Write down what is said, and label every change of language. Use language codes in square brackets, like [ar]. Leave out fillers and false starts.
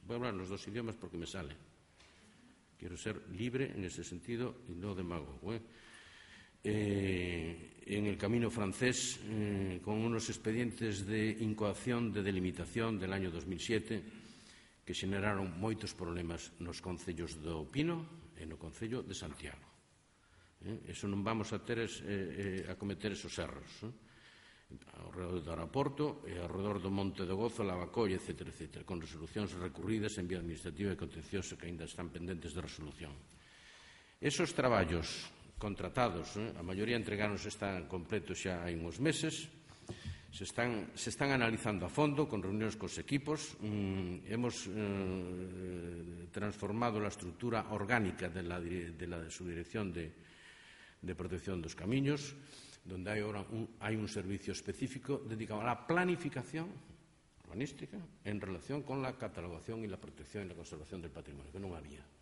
[es] Voy a hablar los dos idiomas porque me sale. Quiero ser libre en ese sentido y no demagogo. En el camino francés, con unos expedientes de incoación de delimitación del año 2007 que generaron [gl] moitos problemas nos concellos do Pino e no concello de Santiago. Eso non vamos a ter a cometer esos erros, ao redor do aeroporto e ao redor do Monte do Gozo, Lavacolle, etc., etc., con resolucións recurridas en vía administrativa e contencioso que aínda están pendentes de resolución. Esos traballos contratados, a maioría entregaronse está completo xa hai uns meses, se están analizando a fondo con reunións cos equipos. [es] Hemos transformado a estrutura orgánica de la subdirección de protección dos camiños, donde hai ahora un servicio específico dedicado á planificación urbanística en relación con la catalogación e la protección e la conservación del patrimonio, [gl] que non había.